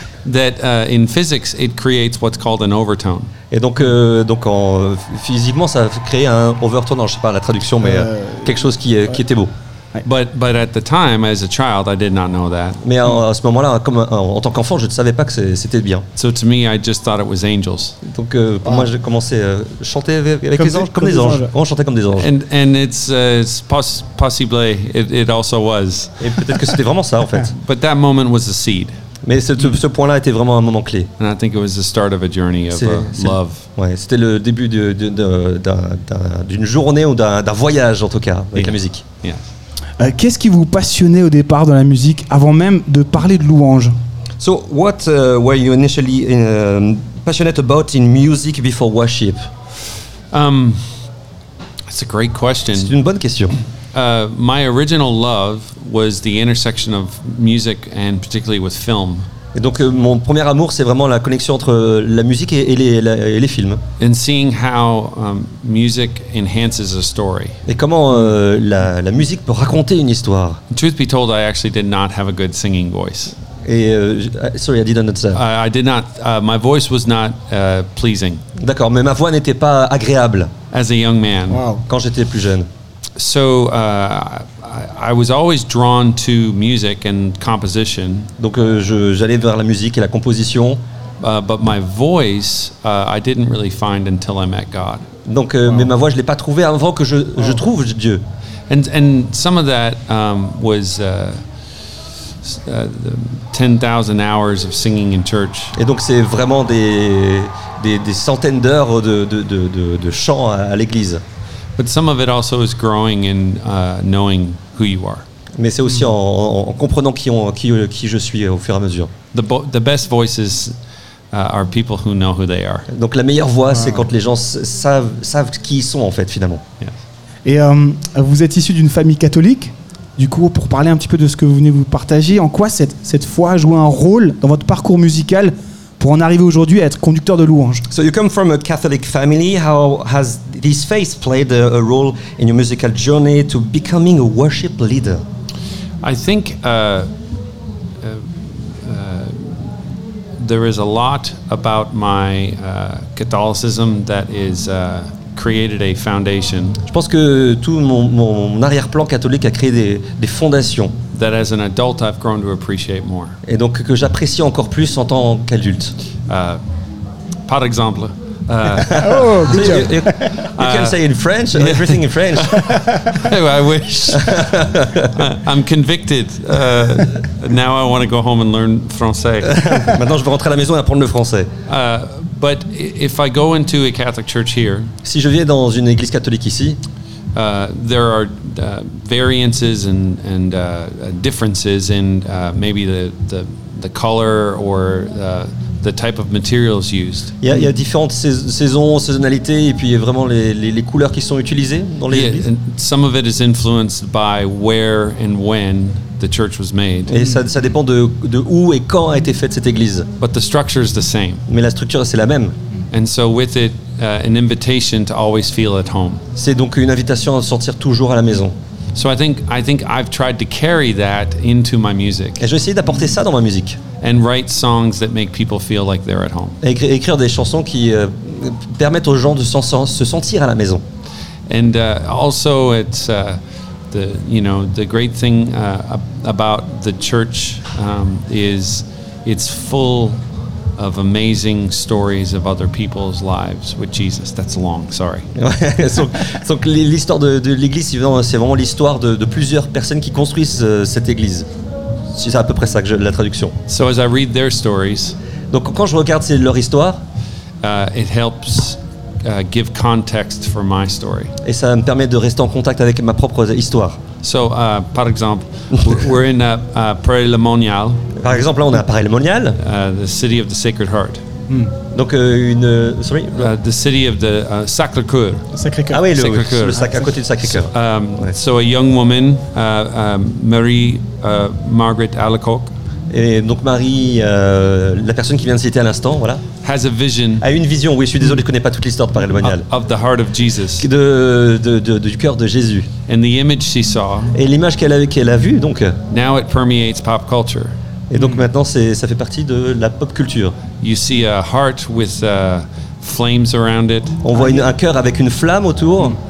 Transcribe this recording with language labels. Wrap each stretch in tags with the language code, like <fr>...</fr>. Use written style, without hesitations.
<en>That in physics it creates what's called an overtone.</en> <fr>Et donc en physiquement ça crée un overtone, je sais pas la traduction, mais quelque chose qui était beau.</fr> <en>But at the time as a child I did not know that.</en> <fr>Mais à ce moment-là comme en tant qu'enfant, je ne savais pas que c'était bien.</fr> <en>So to me I just thought it was angels.</en> <fr>Donc pour moi j'ai commencé à chanter avec les anges, comme des anges. On chantait comme des anges.</fr> <en>And it's possibly it also was.</en> <fr>Et peut-être que c'était vraiment ça en fait.</fr> <en>But that moment was a seed.</en> <fr>Mais ce point-là était vraiment un moment clé.</fr> <en>And I think it was the start of a journey of love.</en> <fr>Ouais, c'était le début d'une journée ou d'un voyage en tout cas avec la musique.</fr> <en>Yeah.</en> <fr>Qu'est-ce qui vous passionnait au départ dans la musique avant même de parler de louange?</fr> <en>So what were you initially passionate about in music before worship? That's a great question.</en> <fr>C'est une bonne question.</fr> <en>My original love was the intersection of music and particularly with film.</en> <fr>Et donc mon premier amour c'est vraiment la connexion entre la musique et les films.</fr> <en>And seeing how music enhances a story.</en> <fr>Et comment la musique peut raconter une histoire.</fr> <en>Truth be told, I actually did not have a good singing voice. Et sorry, I didn't answer. I did not. My voice was not pleasing.</en> <fr>D'accord, mais ma voix n'était pas agréable.</fr> <en>As a young man. Wow.</en> <fr>Quand j'étais plus jeune.</fr> <en>So I was always drawn to music and composition.</en> <fr>Donc j'allais vers la musique et la composition.</fr> <en>But my voice I didn't really find until I met God.</en> <fr>Donc mais ma voix je l'ai pas trouvée avant que je trouve Dieu.</fr> <en>And some of that was 10,000 hours of singing in church.</en> <fr>Et donc c'est vraiment des centaines d'heures de chant à l'église.</fr> <en>But some of it also is growing in knowing who you are.</en> <fr>Mais c'est aussi en comprenant qui je suis au fur et à mesure.</fr> <en>The best voices are people who know who they are.</en> <fr>Donc la meilleure voix c'est quand les gens savent qui ils sont en fait finalement.</fr> <en>Yes.</en> <fr>Et vous êtes issu d'une famille catholique. Du coup, pour parler un petit peu de ce que vous venez vous partager, en quoi cette foi a joué un rôle dans votre parcours musical pour en arriver aujourd'hui à être conducteur de louanges?</fr> <en>So you come from a Catholic family. How has this faith played a role in your musical journey to becoming a worship leader? I think there is a lot about my Catholicism that is created a foundation.</en> <fr>Je pense que tout mon arrière-plan catholique a créé des fondations.</fr> <en>That as an adult, I've grown to appreciate more.</en> <fr>Et donc que j'apprécie encore plus en tant qu'adulte. Par exemple,</fr> <en>You can say in French, everything in French. I wish. I'm convicted. Now I want to go home and learn français.</en> <fr>Maintenant, je veux rentrer à la maison et apprendre le français.</fr> <en>But if I go into a Catholic church here,</en> <fr>si je viens dans une église catholique ici,</fr> <en>there are variances and differences in maybe the color or the type of materials used.</en> <fr>Il y a différentes saisons, saisonnalités et puis vraiment les couleurs qui sont utilisées dans l'église.</fr> <en>Yeah, some of it is influenced by where and when the church was made.</en> <fr>Et ça dépend de où et quand a été faite cette église.</fr> <en>But the structure is the same.</en> <fr>Mais la structure c'est la même.</fr> <en>And so with it, an invitation to always feel at home.</en> <fr>C'est donc une invitation à sortir toujours à la maison.</fr> <en>So I think I've tried to carry that into my music.</en> <fr>Et j'ai essayé d'apporter ça dans ma musique.</fr> <en>And write songs that make people feel like they're at home.</en> <fr>Écrire des chansons qui permettent aux gens de se sentir à la maison.</fr> <en>And also it's the great thing about the church is it's full of amazing stories of other people's lives with Jesus. That's long, sorry.</en> <fr>Donc l'histoire de l'église, c'est vraiment l'histoire de plusieurs personnes qui construisent cette église. C'est à peu près ça que la traduction.</fr> <en>So as I read their stories,</en> <fr>donc quand je regarde c'est leur histoire,</fr> <en>it helps give context for my story.</en> <fr>Et ça me permet de rester en contact avec ma propre histoire.</fr> <en>So</en> <fr>par exemple,</fr> <en>we're in a Paray-le-Monial.</en> <fr>Par exemple, là, on est à Paray-le-Monial.</fr> <en>The city of the Sacred Heart.</en> <fr>Mm. Donc une sorry.</fr> <en>The city of the Sacré-Cœur.</en> <fr>Sacré-Cœur. Ah oui, le Sacré-Cœur. Le sac à côté du Sacré-Cœur.</fr> <en>So, so a young woman, Marie Margaret Alacoque.</en> <fr>Et donc Marie, la personne qui vient de citer à l'instant, voilà.</fr> <en>Has a vision.</en> <fr>A une vision. Oui, je suis désolé, je ne connais pas toute l'histoire de Paray-le-Monial.</fr> <en>Of the heart of Jesus.</en> <fr>Du cœur de Jésus.</fr> <en>And the image she saw.</en> <fr>Et l'image qu'elle a vue, donc.</fr> <en>Now it permeates pop culture.</en> <fr>Et donc maintenant, ça fait partie de la pop culture.</fr> <en>You see a heart with flames around it.</en> <fr>On voit un cœur avec une flamme autour.</fr>